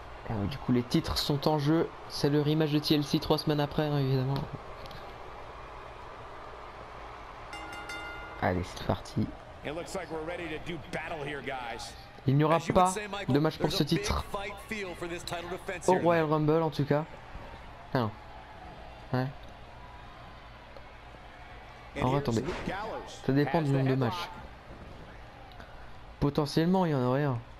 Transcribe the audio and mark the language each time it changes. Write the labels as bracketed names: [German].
[French] Ah, du coup, les titres sont en jeu. C'est le rematch de TLC 3 semaines après, hein, évidemment. Allez, c'est parti. [English] It looks like we're ready to do battle here, guys. [French] Il n'y aura pas de match pour ce titre au Royal Rumble, en tout cas. Ah non. Ouais. Alors, attendez. Ça dépend du nombre de matchs. Potentiellement, il y en aurait un.